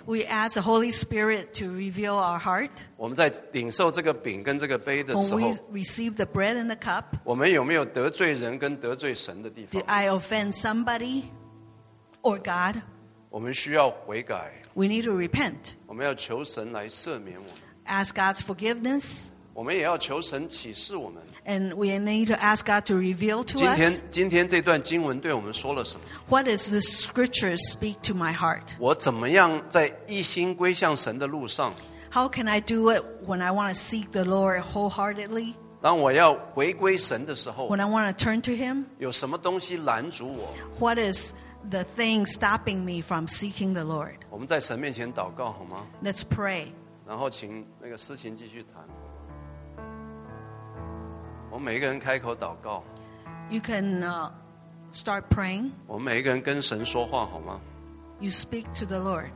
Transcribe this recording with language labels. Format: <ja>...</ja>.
<en>We ask the Holy Spirit to reveal our heart.</en> <zh>我们在领受这个饼跟这个杯的时候。</zh> <en>When we receive the bread and the cup.</en> <zh>我们有没有得罪人跟得罪神的地方</zh> <en>？Did I offend somebody or God?</en> <zh>我们需要悔改。</zh> <en>We need to repent.</en> <zh>我们要求神来赦免我们。</zh> <en>Ask God's forgiveness.</en> <zh>我们也要求神启示我们。</zh> <en>And we need to ask God to reveal to us.</en> <zh>今天这段经文对我们说了什么</zh> <en>？What does the scripture speak to my heart?</en> <zh>我怎么样在一心归向神的路上</zh> <en>？How can I do it when I want to seek the Lord wholeheartedly?</en> <zh>当我要回归神的时候</zh> <en>，When I want to turn to Him,</en> <zh>有什么东西拦阻我</zh> <en>？What is the thing stopping me from seeking the Lord.</en> <zh>我们在神面前祷告好吗</zh> <en>Let's pray.</en> <zh>然后请那个诗琴继续弹。我们每一个人开口祷告。</zh> <en>You can start praying.</en> <zh>我们每一个人跟神说话好吗</zh> <en>You speak to the Lord.</en>